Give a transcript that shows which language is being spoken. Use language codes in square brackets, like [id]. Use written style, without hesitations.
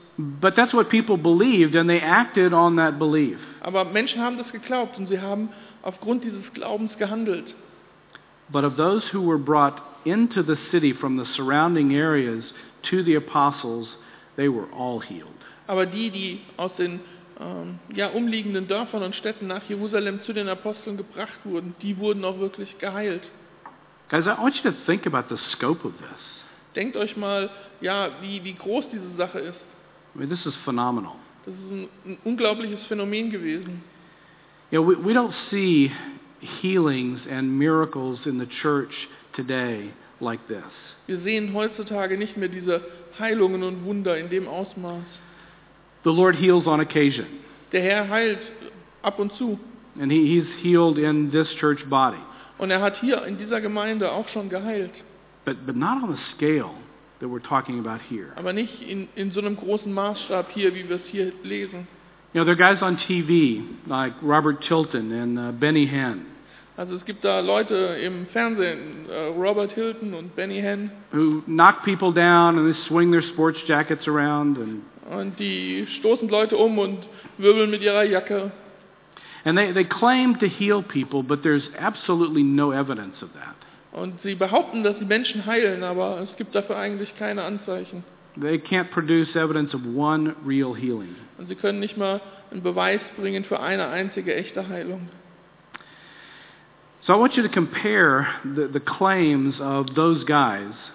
[en] But that's what people believed, and they acted on that belief. [de] Aber Menschen haben das geglaubt und sie haben aufgrund dieses Glaubens gehandelt. [en] But of those who were brought into the city from the surrounding areas to the apostles, they were all healed. [de] Aber die aus den umliegenden Dörfern und Städten nach Jerusalem zu den Aposteln gebracht wurden, die wurden auch wirklich geheilt. [en] Guys, I want you to think about the scope of this. [de] Denkt euch mal, wie groß diese Sache ist. [en] I mean, this is phenomenal. [de] Das ist ein unglaubliches Phänomen gewesen. [en] You know, we don't see healings and miracles in the church today like this. [de] Wir sehen heutzutage nicht mehr diese Heilungen und Wunder in dem Ausmaß. [en] The Lord heals on occasion. [de] Der Herr heilt ab und zu. [en] And he's healed in this church body. [de] Und hat hier in dieser Gemeinde auch schon geheilt. [en] But not on the scale that we're talking about here. [de] Aber nicht in so einem großen Maßstab hier, wie wir es hier lesen. [en] You know, there are guys on TV like Robert Tilton and Benny Hinn. [de] Also es gibt da Leute im Fernsehen, Robert Hilton und Benny Hinn, [en] who knock people down and they swing their sports jackets around and. [de] Und die stoßen Leute um und wirbeln mit ihrer Jacke. [en] And they claim to heal people, but there's absolutely no evidence of that. [de] Und sie behaupten, dass sie Menschen heilen, aber es gibt dafür eigentlich keine Anzeichen. [en] They can't produce evidence of one real healing. [de] Und sie können nicht mal einen Beweis bringen für eine einzige echte Heilung. [en] So I want you to compare the claims of those guys.